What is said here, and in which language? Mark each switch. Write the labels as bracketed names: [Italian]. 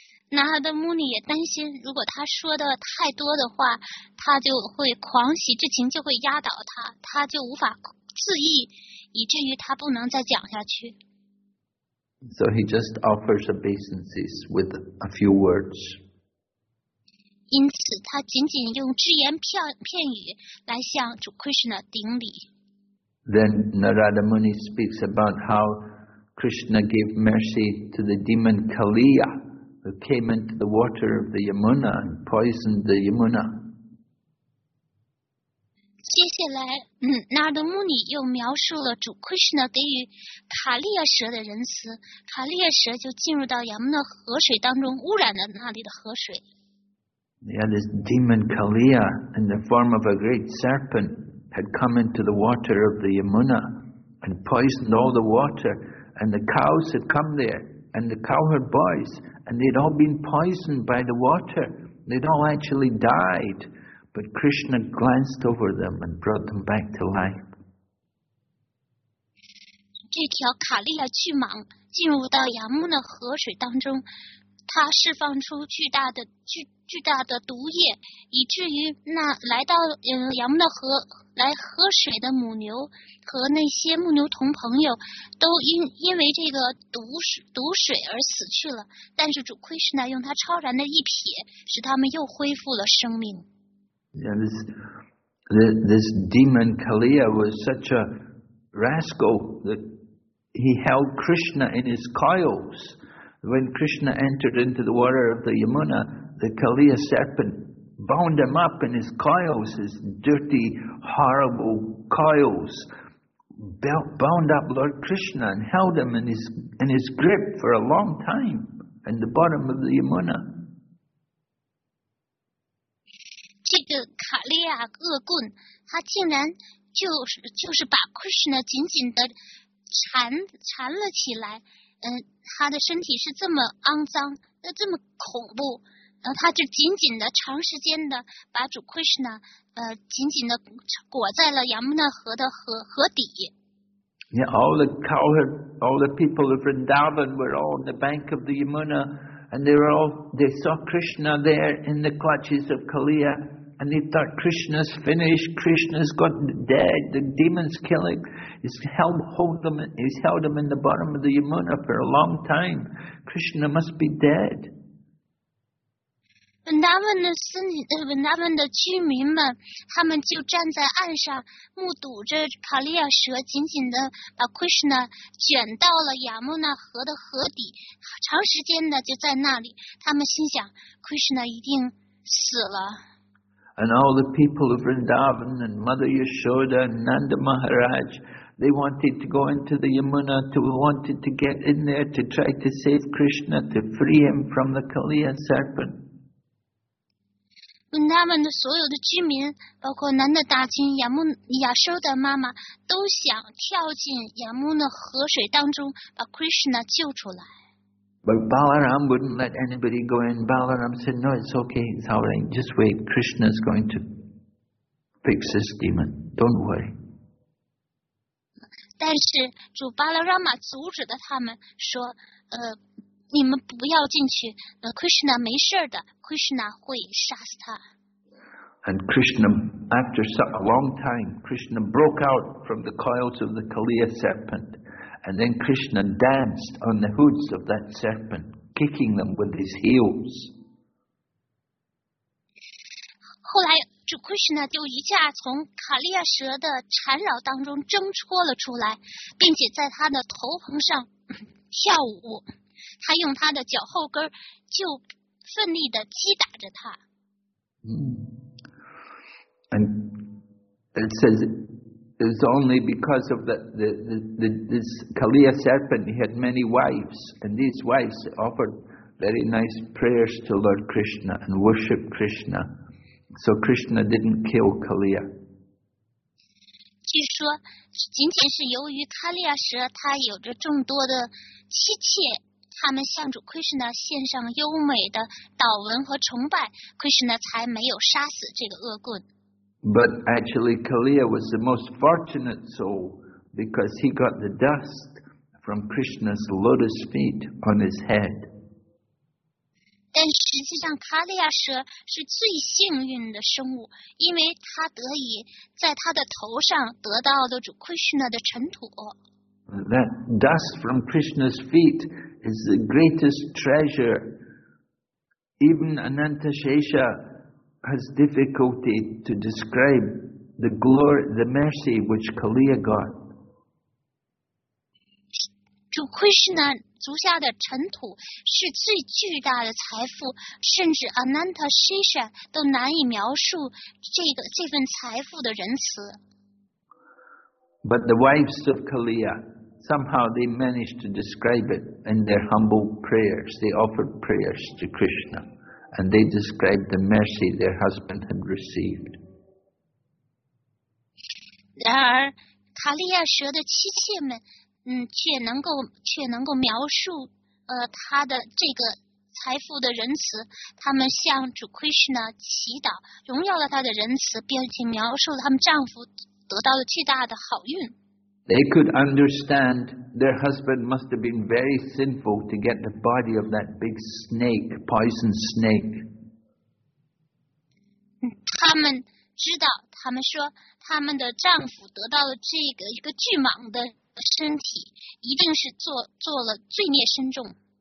[Chinese] 那他的牧尼也担心，如果他说的太多的话，他就会狂喜之情就会压倒他，他就无法自抑，以至于他不能再讲下去。 [English] So he just offers obeisances with a few words. [Chinese] 因此，他仅仅用只言片语来向主 Krishna 顶礼。 [English] Then Narada Muni speaks about how Krishna gave mercy to the demon Kaliya, who came into the water of the Yamuna and poisoned the Yamuna. [Chinese] 接下来，纳德穆尼又描述了主 Krishna 给予卡利亚蛇的仁慈，卡利亚蛇就进入到亚摩那河水当中，污染了那里的河水。 [English] Yeah, this demon Kaliya, in the form of a great serpent, had come into the water of the Yamuna and poisoned all the water. And the cows had come there, and the cowherd boys, and they'd all been poisoned by the water. They'd all actually died. But Krishna glanced over them and brought them back to life. [Chinese] 这条卡利亚巨蟒进入到亚穆那河水当中，它释放出巨大的毒液，以至于那来到亚穆那河来喝水的母牛和那些牧牛童朋友都因为这个毒水而死去了。但是主 Krishna 用他超然的一瞥，使他们又恢复了生命。 [English] Yeah, this demon Kaliya was such a rascal that he held Krishna in his coils. When Krishna entered into the water of the Yamuna, the Kaliya serpent bound him up in his coils, his dirty, horrible coils, bound up Lord Krishna and held him in his grip for a long time in the bottom of the Yamuna. [Chinese] 这个卡利亚恶棍，他竟然就是把 Krishna 紧紧的缠了起来。他的身体是这么肮脏，这么恐怖，然后他就紧紧的长时间的把主 Krishna 紧紧的裹在了亚穆那河的河底。 [English] Yeah, all the cowherd, all the people of Vrindavan were all on the bank of the Yamuna. And they saw Krishna there in the clutches of Kaliya, and they thought Krishna's finished, Krishna's got dead, the demon's killing. He's held him in the bottom of the Yamuna for a long time. Krishna must be dead. [Chinese] Vrindavan 的居民们，他们就站在岸上，目睹着卡利亚蛇紧紧的把 Krishna 卷到了亚穆那河的河底，长时间的就在那里。他们心想 ，Krishna 一定死了。 [English] And all the people of Vrindavan and Mother Yashoda and Nanda Maharaj, they wanted to go into the Yamuna, wanted to get in there to try to save Krishna, to free him from the Kaliya serpent. [Chinese] 他们的所有的居民，包括南的大军、亚修的妈妈，都想跳进亚穆那河水当中，把 Krishna 救出来。 [English] But Balaram wouldn't let anybody go in. Balaram said, "No, it's okay. It's all right. Just wait. Krishna's going to fix this demon. Don't worry." [Chinese] 但是主巴拉拉玛阻止了他们，说：“你们不要进去。 Krishna 没事的。” Krishna 会杀死他。 [English] And Krishna, after a long time, Krishna broke out from the coils of the Kaliya serpent, and then Krishna danced on the hoods of that serpent, kicking them with his heels. [Chinese] 后来，主 Krishna 就一下从卡利亚蛇的缠绕当中挣脱了出来，并且在他的头棚上跳舞。他用他的脚后跟就奋力地击打着他。 [English] And it says it was only because of this Kaliya serpent, he had many wives, and these wives offered very nice prayers to Lord Krishna and worshipped Krishna. So Krishna didn't kill Kaliya. [Chinese] 据说仅仅是由于卡利亚蛇他有着众多的妻妾，他们向主 Krishna 献上优美的祷文和崇拜， Krishna 才没有杀死这个恶棍。 [English] But actually, Kaliya was the most fortunate soul because he got the dust from Krishna's lotus feet on his head. [Chinese] 但实际上卡利亚蛇是最幸运的生物，因为它得以在它的头上得到的主 Krishna 的尘土。 [English] That dust from Krishna's feet is the greatest treasure. Even Anantashesha has difficulty to describe the glory, the mercy which Kaliya got. [Chinese] 主 Krishna 足下的尘土是最巨大的财富，甚至 Anantashesha 都难以描述这份财富的仁慈。 [English] But the wives of Kaliya. Somehow they managed to describe it in their humble prayers. They offered prayers to Krishna, and they described the mercy their husband had received. [Chinese] 然而，卡利亚蛇的妻妾们，却能够描述，他的这个财富的仁慈。他们向主 Krishna 祈祷，荣耀了他的仁慈，并且描述他们丈夫得到了巨大的好运。 [English] They could understand their husband must have been very sinful to get the body of that big snake, poison snake. [Chinese] 他们知道，他们说他们的丈夫得到了这个一个巨蟒的身体，一定是做了罪孽深重。